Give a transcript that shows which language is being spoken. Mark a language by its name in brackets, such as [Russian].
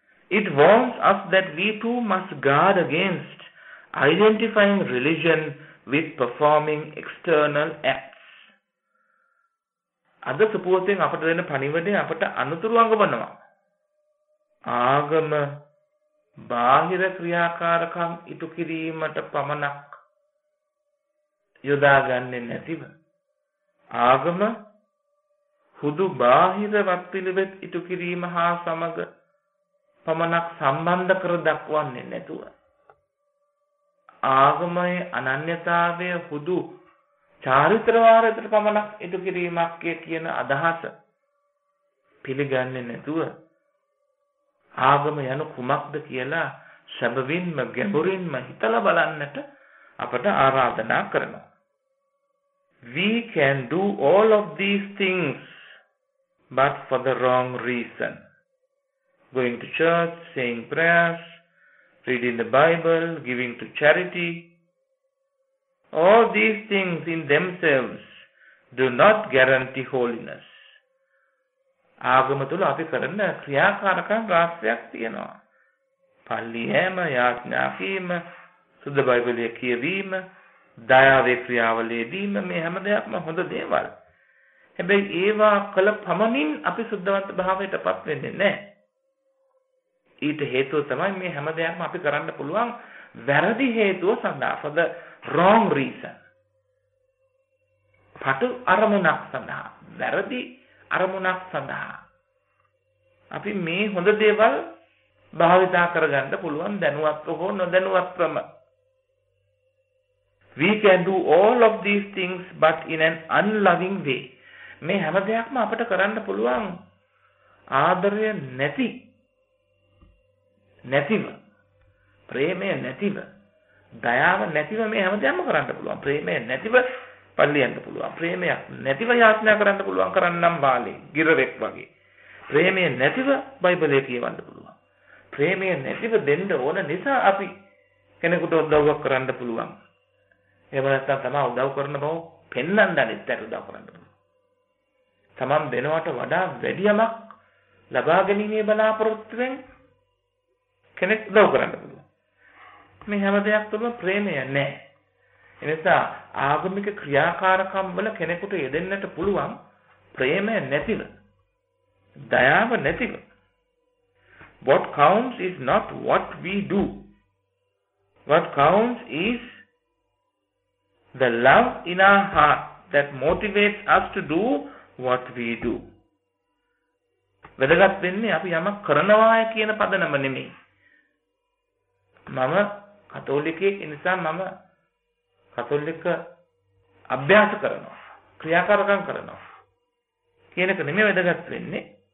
[English] It warns us that we too must guard against identifying religion with performing external acts. [Sinhala] අද සුපුවතෙන් අපට දෙන පණිවිඩය අපට අනුතුරු අඟවනවා. ආගම බාහිර ක්‍රියාකාරකම් ඉටු කිරීමට පමණක් යොදාගන්නේ නැතිව ආගම හුදු බාහිර වත්පිළිවෙත් ඉටු කිරීම හා සමග පමණක් සම්බන්ධ කර දක්වන්නේ නැතුව ආගමයේ අනන්‍යතාවය හුදු චාරිත්‍ර වාරයකට පමණක් ඉටු කිරීමක් කියන අදහස පිළිගන්නේ නැතුව ආගම යනු කුමක්ද කියලා සැබවින්ම ගැඹුරින්ම හිතලා බලන්නට අපට ආරාධනා කරනවා. [English] We can do all of these things, but for the wrong reason. Going to church, saying prayers, reading the Bible, giving to charity. All these things in themselves do not guarantee holiness. [Sinhala] ආගම තුළ අපි කරන ක්‍රියාකාරකම් රාශියක් තියෙනවා. පල්ලියෑම, යාඥා කිරීම, සුද්ධ බයිබලය කියවීම, දයාවේ ක්‍රියාවලියදීම, මේ හැම දෙයක්ම හොඳ දේවල්. හැබැයි ඒවා කළ පමණින් අපි සුද්ධවන්ත භාවයට පත් වෙන්නේ නැහැ. ඊට හේතුව තමයි මේ හැම දෙයක්ම අපි කරන්න පුළුවන් වැරදි හේතුව සඳහා, [English] for the wrong reason. [Sinhala] පටු අරමුණක් සඳහා, වැරදි අරමුණක් සඳහා අපි මේ හොඳ දේවල් භාවිතා කරගන්න පුළුවන් දැනුවත්ව හෝ නොදැනුවත්වම. [English] We can do all of these things but in an unloving way. [Sinhala] මේ හැම දෙයක්ම අපට කරන්න පුළුවන් ආදරය නැතිව, ප්‍රේමය නැතිව, දයාව නැතිව මේ හැම දෙයක්ම කරන්න පුළුවන්. ප්‍රේමය නැතිව පල්ලියන්න පුළුවන්, ප්‍රේමයක් නැතිව යාඥා කරන්න පුළුවන් කරන්නම් බාලේ ගිරවෙක් වගේ, ප්‍රේමය නැතිව බයිබලය කියවන්න පුළුවන්, ප්‍රේමය නැතිව දෙන්න ඕන නිසා අපි කෙනෙකුට උදව්වක් කරන්න පුළුවන්. එහෙම නැත්නම් තමා උදව් කරන බව පෙන්වන්න දැනෙත්තර උදව් කරන්න පුළුවන්. තමන් දෙනවට වඩා වැඩි යමක් ලබා ගැනීමේ බලාපොරොත්තුවෙන් කෙනෙක් උදව් කරන්න පුළුවන්. මේ හැම දෙයක් තුළම ප්‍රේමය නැහැ. එනිසා ආගමික ක්‍රියාකාරකම් වල කෙනෙකුට යෙදෙන්නට පුළුවන් ප්‍රේමය නැතිව. දයාව නැතිව. [English] What counts is not what we do. What counts is the love in our heart that motivates us to do what we do. [Sinhala] වැදගත් වෙන්නේ අපි යමක් කරනවාය කියන පදනම නෙමෙයි. මම කතෝලිකයෙක් නිසා මම කතෝලික අභ්‍යාස කරනවා. ක්‍රියාකාරකම් කරනවා. කියන එක නෙමෙයි වැදගත් වෙන්නේ.